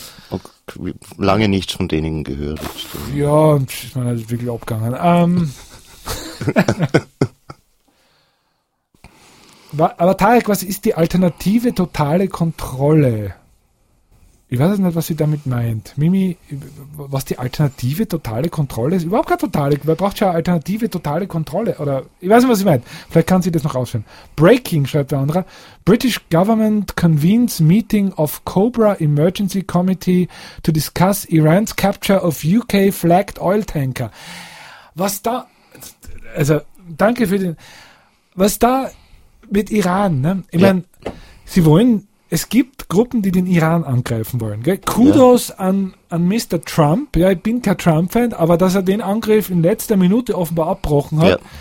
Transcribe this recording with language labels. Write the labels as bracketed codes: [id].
[de] Okay. Lange nichts von Däniken gehört. Ja, ist man halt wirklich abgegangen. Aber Tarek, was ist die alternative totale Kontrolle? Ich weiß nicht, was sie damit meint. Mimi, was die alternative totale Kontrolle ist? Überhaupt keine totale, wer braucht schon alternative totale Kontrolle? Oder ich weiß nicht, was sie meint. Vielleicht kann sie das noch ausführen. Breaking, schreibt der andere. [en] British government convenes meeting of Cobra Emergency Committee to discuss Iran's capture of UK flagged oil tanker. [de] Was da, also danke für den, was da mit Iran, ne? Ich meine, sie wollen, es gibt Gruppen, die den Iran angreifen wollen. Gell? Kudos an Mr. Trump. Ja, ich bin kein Trump-Fan, aber dass er den Angriff in letzter Minute offenbar abbrochen hat. Ja.